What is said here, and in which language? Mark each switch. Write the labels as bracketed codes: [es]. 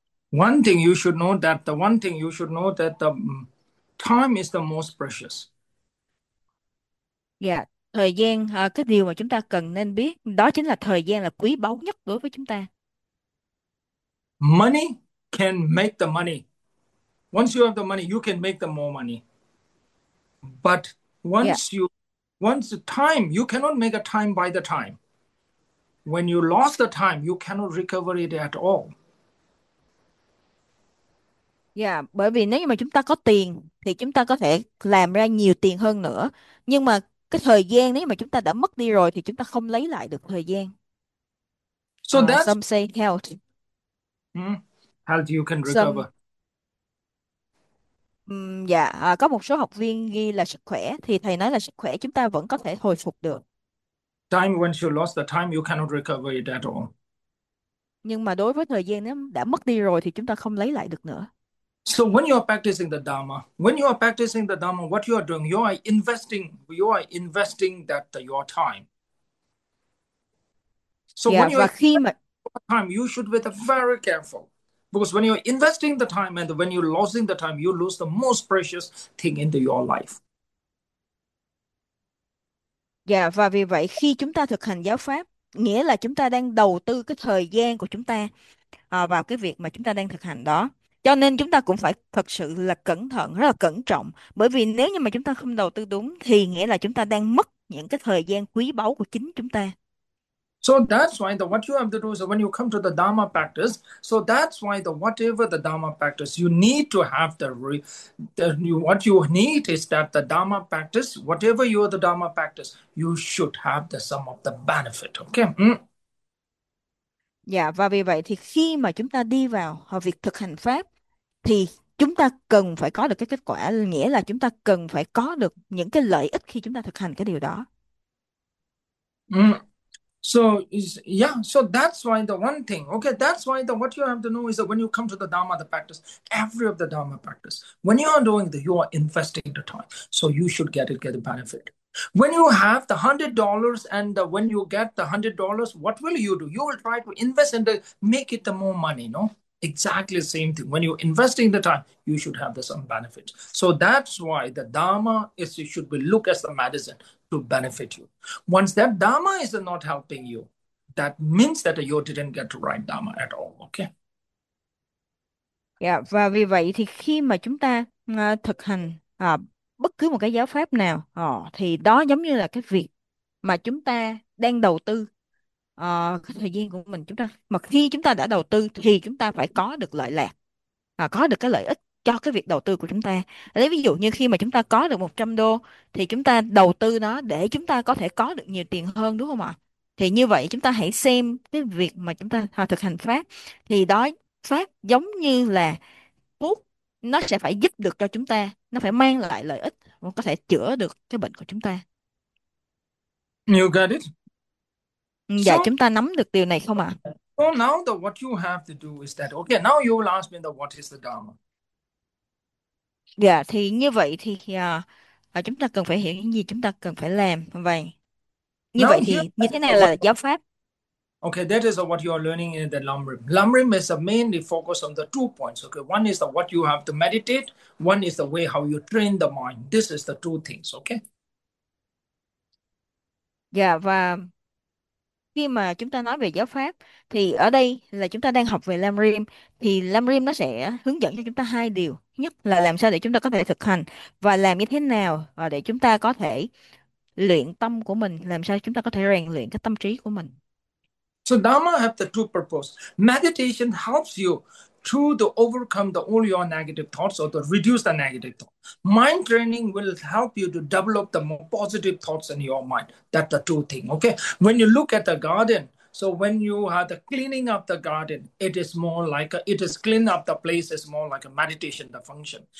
[en] One thing you should know that the one thing you should know that the time is the most precious. [vi] Dạ, thời gian, cái điều mà chúng ta cần nên biết đó chính là thời gian là quý báu nhất đối với chúng ta. [en] Money can make the money. Once you have the money, you can make the more money. But once the time, you cannot make a time by the time. When you lost the time, you cannot recover it at all. [vi] Dạ, bởi vì nếu như mà chúng ta có tiền thì chúng ta có thể làm ra nhiều tiền hơn nữa. Nhưng mà cái thời gian nếu mà chúng ta đã mất đi rồi thì chúng ta không lấy lại được thời gian. [en] So that's Some say health. health you can Some. recover. [vi] Có một số học viên ghi là sức khỏe thì thầy nói là sức khỏe chúng ta vẫn có thể hồi phục được. [en] Time, once you lost the time, you cannot recover it at all. [vi] Nhưng mà đối với thời gian nếu đã mất đi rồi thì chúng ta không lấy lại được nữa. [en] So when you are practicing the Dharma, when you are practicing the Dharma, what you are doing, you are investing that your time. So [vi] Dạ, [en] when you [vi] và [en] invest [vi] khi mà [en] your time, you should be very careful. Because when you are investing the time and when you're losing the time, you lose the most precious thing into your life. [vi] Dạ, và vì vậy khi chúng ta thực hành giáo pháp, nghĩa là chúng ta đang đầu tư cái thời gian của chúng ta vào cái việc mà chúng ta đang thực hành đó. Cho nên chúng ta cũng phải thật sự là cẩn thận, rất là cẩn trọng. Bởi vì nếu như mà chúng ta không đầu tư đúng thì nghĩa là chúng ta đang mất những cái thời gian quý báu của chính chúng ta. [en] So that's why the what you have to do is when you come to the Dharma practice. So that's why the whatever the Dharma practice, you need to have what you need is that the Dharma practice, whatever you are the Dharma practice, you should have the sum of the benefit. Okay. [vi] Dạ, và vì vậy thì khi mà chúng ta đi vào việc thực hành pháp thì chúng ta cần phải có được cái kết quả, nghĩa là chúng ta cần phải có được những cái lợi ích khi chúng ta thực hành cái điều đó. [en] So that's why the one thing, okay, that's why the what you have to know is that when you come to the Dharma, the practice, every of the Dharma practice, when you are doing the, you are investing the time, so you should get the benefit. When you have the $100 and when you get the $100, what will you do? You will try to invest and make it the more money, no? Exactly the same thing. When you're investing the time, you should have the some benefit. So that's why the Dharma is, it should be looked as the medicine to benefit you. Once that Dharma is not helping you, that means that you didn't get the right Dharma at all. Okay. [vi] Yeah, và vì vậy thì khi mà chúng ta thực hành bất cứ một cái giáo pháp nào thì đó giống như là cái việc mà chúng ta đang đầu tư thời gian của mình chúng ta. Mà khi chúng ta đã đầu tư thì chúng ta phải có được lợi lạc, có được cái lợi ích cho cái việc đầu tư của chúng ta. Lấy ví dụ như khi mà chúng ta có được 100 đô thì chúng ta đầu tư nó để chúng ta có thể có được nhiều tiền hơn đúng không ạ? Thì như vậy chúng ta hãy xem cái việc mà chúng ta thực hành pháp thì đó pháp giống như là thuốc nó sẽ phải giúp được cho chúng ta, nó phải mang lại lợi ích, nó có thể chữa được cái bệnh của chúng ta. [en] You got it? [vi] Dạ, [en] So, [vi] chúng ta nắm được điều này không ạ? [en] now the what you have to do is that. Okay, now you will ask me the what is the Dharma. [vi] Dạ, thì như vậy thì chúng ta cần phải hiểu những gì chúng ta cần phải làm. Vậy như [en] Now [vi] vậy [en] here, [vi] thì như thế nào là giáo pháp? [en] okay, that is what you are learning in the Lam Rim. Lam Rim is mainly focused on the two points. Okay, one is the what you have to meditate. One is the way how you train the mind. This is the two things. Okay. [vi] Dạ, và khi mà chúng ta nói về giáo pháp thì ở đây là chúng ta đang học về Lam Rim, thì Lam Rim nó sẽ hướng dẫn cho chúng ta hai điều. Nhất là làm sao để chúng ta có thể thực hành và làm như thế nào để chúng ta có thể luyện tâm của mình, làm sao chúng ta có thể rèn luyện cái tâm trí của mình. [en] So Dharma have the two purpose. Meditation helps you to overcome the all your negative thoughts or to reduce the negative thought. Mind training will help you to develop the more positive thoughts in your mind. That's the two thing. Okay. When you look at the garden, so when you are the cleaning up the garden, it is more like a, it is clean up the place is more like a meditation, the function.